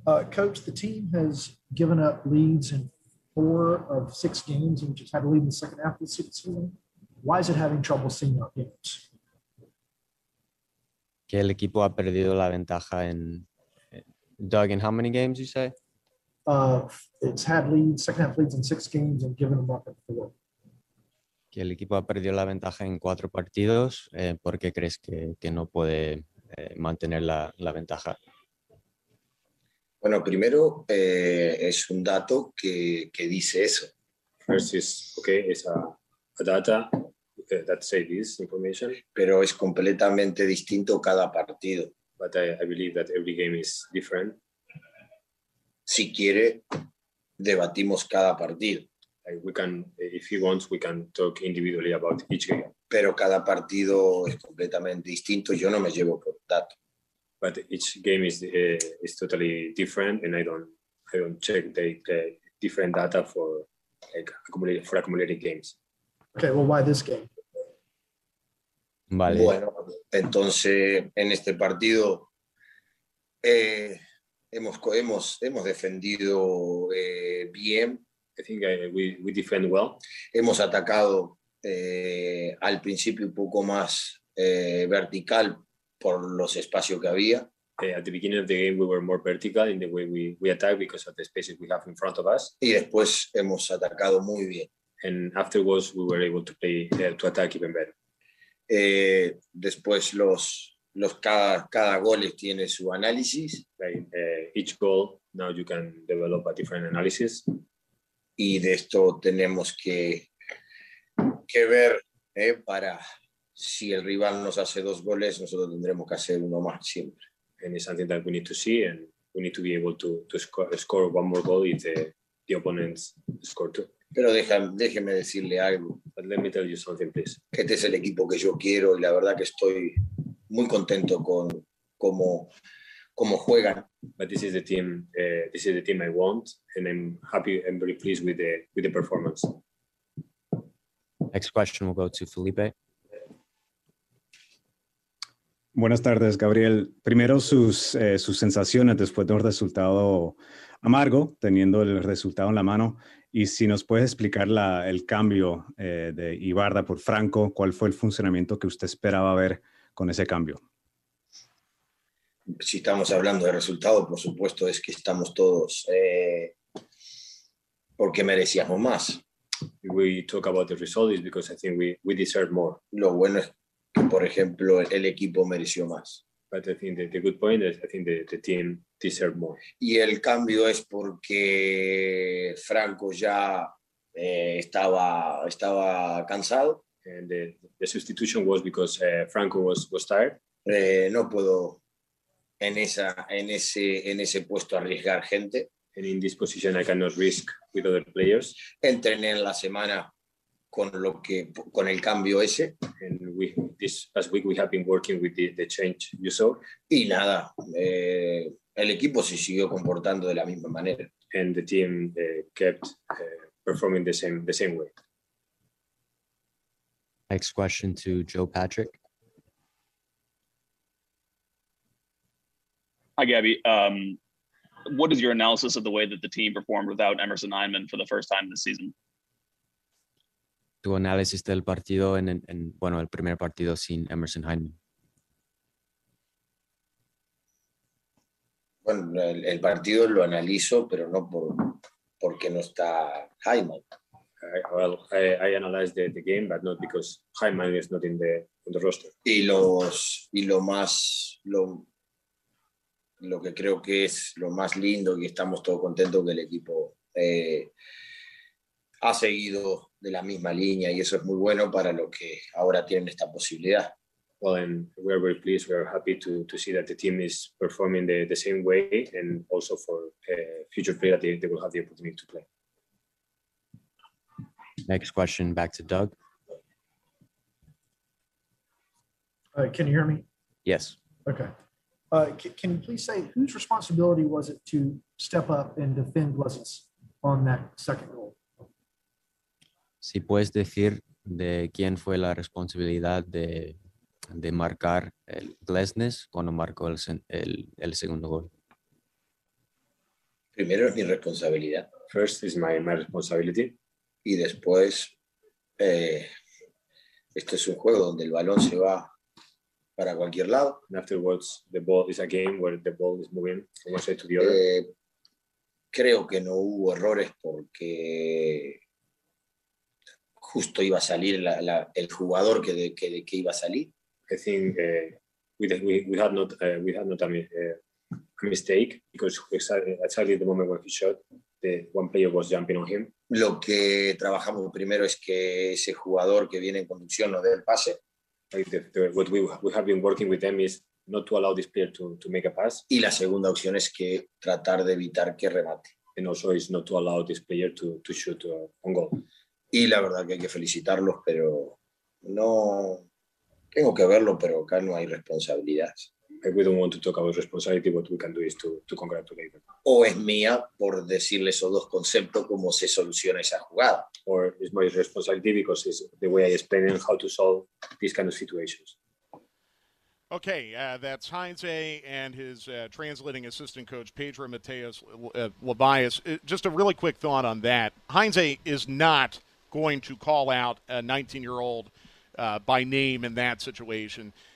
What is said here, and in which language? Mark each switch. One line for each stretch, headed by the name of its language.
English: Coach, the team has given up leads in four of six games and just had a lead in the second half of the season. Why is it having trouble seeing our games?
Spanish: Que el equipo ha perdido la ventaja en Doug,
English: in how many games you say? It's had leads, second half leads in six games and given them up in four.
Spanish: que el equipo ha perdido la ventaja en cuatro partidos, ¿por qué crees que no puede mantener la ventaja? Bueno, primero es un dato que dice eso.
English: First is okay, it's a data that say this information.
Spanish: Pero es completamente distinto cada partido.
English: But I believe that every game is different.
Spanish: Si quiere, debatimos cada partido.
English: We can, if he wants, we can talk individually about each game.
Spanish: Pero cada partido es completamente distinto. Yo no me llevo por dato.
English: But each game is totally different, and I don't check the different data for accumulating games. Okay, well, why this game?
Spanish: Vale. Bueno, entonces en este partido hemos defendido bien.
English: I think we defend well.
Spanish: Hemos atacado al principio un poco más vertical por los espacios que había.
English: At the beginning of the game, we were more vertical in the way we attack because of the spaces we have in front of us.
Spanish: Y después hemos atacado muy bien.
English: And afterwards, we were able to play to attack even better.
Spanish: Después los cada gol tiene su análisis.
English: Like, each goal, now you can develop a different analysis.
Spanish: Y de esto tenemos que ver para si el rival nos hace dos goles, nosotros tendremos que hacer uno más siempre.
English: And it's something that we need to see, and we need to be able to score one more goal if the opponents score two.
Spanish: Pero déjeme decirle algo.
English: But let me tell you something, please.
Spanish: Este es el equipo que yo quiero, y la verdad que estoy muy contento con cómo juegan.
English: But this is the team. This is the team I want, and I'm happy and very pleased with the performance. Next question will go to Felipe.
Spanish: Buenas tardes, Gabriel. Primero, sus sensaciones después de un resultado amargo, teniendo el resultado en la mano. Y si nos puedes explicar el cambio de Ibarda por Franco, ¿cuál fue el funcionamiento que usted esperaba ver con ese cambio? Si estamos hablando de resultado, por supuesto, es que estamos todos porque merecíamos más.
English: We talk about the result is because I think we deserve more.
Spanish: Lo bueno es que, por ejemplo, el equipo mereció más.
English: But I think the good point is I think the team deserved more.
Spanish: Y el cambio es porque Franco ya estaba cansado.
English: And the substitution was because Franco was tired.
Spanish: No puedo en ese puesto arriesgar gente.
English: And in this position I cannot risk with other players.
Spanish: Entrené en la semana con el cambio ese.
English: And this past week we have been working with the change you saw.
Spanish: Y nada, el equipo se siguió comportando de la misma manera.
English: And the team kept performing the same way. Next question to Joe Patrick. Hi, Gabby. What is your analysis of the way that the team performed without Emerson Einman for the first time this season?
Spanish: Tu análisis del partido en bueno, el primer partido sin Emerson Hyman. Bueno, el partido lo analizo, pero no porque no está Hyman.
English: I analyze the game, but not because Hyman is not in the roster.
Spanish: Y lo que creo que es lo más lindo y estamos todos contentos que el equipo ha seguido de la misma línea y eso es muy bueno para lo que ahora tienen esta posibilidad.
English: Well, and we are very pleased, we are happy to see that the team is performing the same way and also for future players that they will have the opportunity to play. Next question, back to Doug. Can you hear me? Yes. Okay. Can you please say whose responsibility was it to step up and defend Blessings on that second goal?
Spanish: Si puedes decir de quién fue la responsabilidad de marcar el Glesnes cuando marcó el segundo gol. Primero es mi responsabilidad.
English: First is my responsibility.
Spanish: Y después, este es un juego donde el balón se va para cualquier lado.
English: And afterwards, the ball is a game where the ball is moving from one side to the other.
Spanish: Creo que no hubo errores porque justo iba a salir la el jugador que iba a salir.
English: I think we had not a mistake because exactly the moment when he shot, the one player was jumping on him.
Spanish: Lo que trabajamos primero es que ese jugador que viene en conducción no dé el pase.
English: What we have been working with them is not to allow this player to make a pass.
Spanish: Y la segunda opción es que tratar de evitar que remate.
English: And also is not to allow this player to shoot on goal.
Spanish: Y la verdad que hay que felicitarlos, pero no tengo que verlo, pero acá no hay responsabilidad.
English: We don't want to talk about responsibility. What we can do is to congratulate them.
Spanish: O es mía por decirle esos dos conceptos cómo se soluciona esa jugada.
English: Or it's my responsibility because it's the way I explain it, how to solve these kind of situations. Okay, that's Heinze and his translating assistant coach, Pedro Mateus Labias. Just a really quick thought on that. Heinze is not going to call out a 19-year-old by name in that situation.